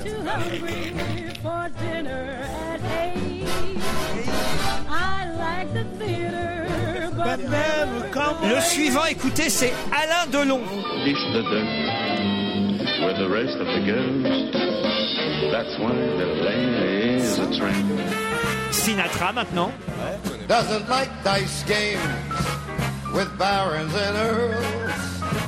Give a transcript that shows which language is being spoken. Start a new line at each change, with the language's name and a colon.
English: Hungry for dinner at 8. I like the theater, but never come.
French: Le suivant, écoutez, c'est Alain Delon.
English: Dish the dirt with the rest of the girls. That's why the lady is a tramp.
French: Sinatra maintenant.
English: Doesn't like dice games with barons and earls.